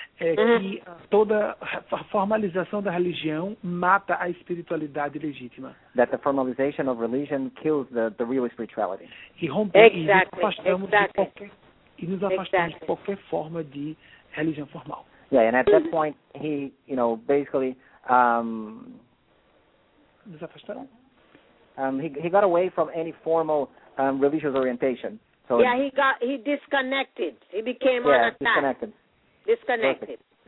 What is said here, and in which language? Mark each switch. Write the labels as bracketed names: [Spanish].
[Portuguese] É que toda a formalização da religião mata a espiritualidade legítima. [English] That the formalization of religion kills the real spirituality. [Portuguese] E nos afastamos de qualquer forma de religião formal. [English] Yeah, and at that point he, you know, basically [Portuguese] nos afastaram. [English] He got away from any formal religious orientation. So yeah, he disconnected. He became unattached. Disconnected.